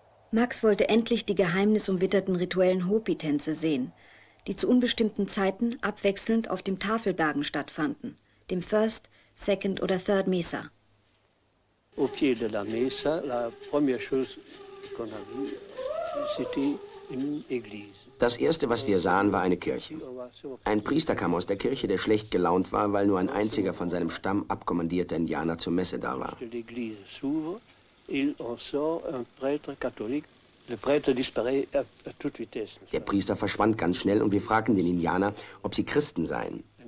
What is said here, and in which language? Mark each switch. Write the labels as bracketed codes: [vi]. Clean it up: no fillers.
[de] Max wollte endlich die geheimnisumwitterten rituellen Hopi-Tänze sehen, die zu unbestimmten Zeiten abwechselnd auf dem Tafelbergen stattfanden, dem First, Second oder Third Mesa. [fr] Au pied de la Mesa, la première chose qu'on a vu, c'était une église. [de] Das erste, was wir sahen, war eine Kirche. Ein Priester kam aus der Kirche, der schlecht gelaunt war, weil nur ein einziger von seinem Stamm abkommandierter Indianer zur Messe da war. [fr] L'église s'ouvre, il en sort un prêtre catholique. [de] Der Priester verschwand ganz schnell und wir fragten den Indianer, ob sie Christen seien.